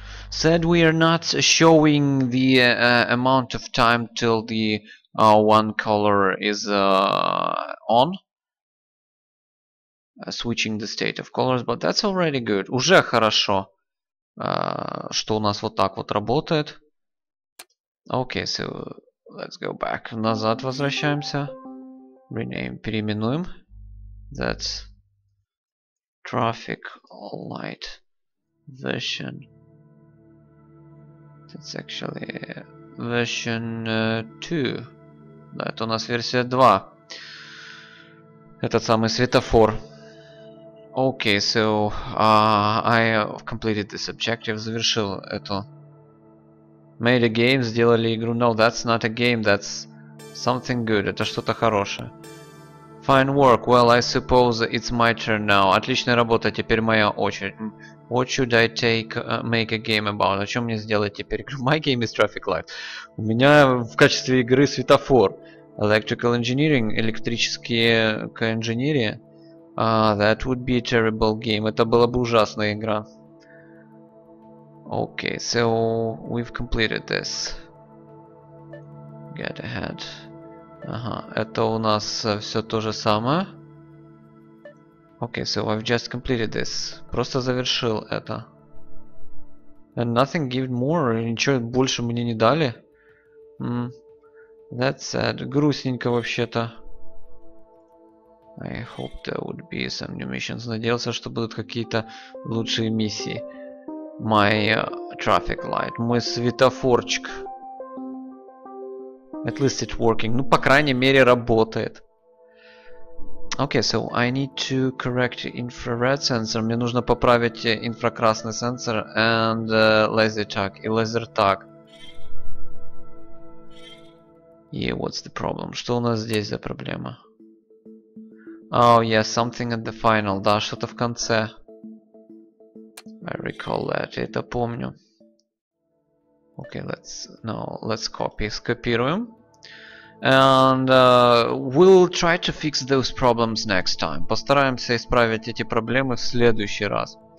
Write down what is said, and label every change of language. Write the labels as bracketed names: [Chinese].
[English] Said we are not showing the amount of time till the one color is on. Switching the state of colors, but that's already good. [Russian] Уже хорошо, что у нас вот так вот работает. [English] Okay, so let's go back. [Russian] Назад возвращаемся. [English] Rename, [Russian] переименуем. [English] That's traffic light. Version. It's actually version 2. [Russian] Да, это у нас версия 2. Этот самый светофор. [English] Okay, so I completed this objective. [Russian] Завершил эту. [English] Made a game. [Russian] Сделали игру. [English] No, that's not a game. That's something good. [Russian] Это что-то хорошее. [English] Fine work. Well, I suppose it's my turn now. [Russian] Отличная работа. Теперь моя очередь. [English] What should I take, make a game about? [Russian] О чем мне сделать теперь? [English] My game is traffic light. [Russian] У меня в качестве игры светофор. [English] Electrical engineering. [Russian] Электрические инженерии. [English] That would be a terrible game. [Russian] Это была бы ужасная игра. [English] Okay, so we've completed this. Get ahead. [Russian] Ага, это у нас все то же самое. [English] Okay, so I've just completed this. [Russian] Просто завершил это. [English] And nothing gave more. [Russian] Ничего больше мне не дали. [English] That's sad. [Russian] Грустненько вообще-то. [English] I hope there would be some new missions. [Russian] Надеялся, что будут какие-то лучшие миссии. [English] My traffic light. [Russian] Мой светофорчик. [English] At least it's working. [Russian] Ну, по крайней мере, работает. [English] Okay, so I need to correct infrared sensor. [Russian] Мне нужно поправить инфракрасный сенсор [English] and laser tag. [Russian] И laser tag. [English] Yeah, what's the problem? [Russian] Что у нас здесь за проблема? [English] Oh, yeah, something at the final. [Russian] Да, что-то в конце. [English] I recall that. [Russian] Я это помню. [English] Okay, let's copy. [Russian] Скопируем. [English] And we'll try to fix those problems next time. [Russian] Постараемся исправить эти проблемы в следующий раз.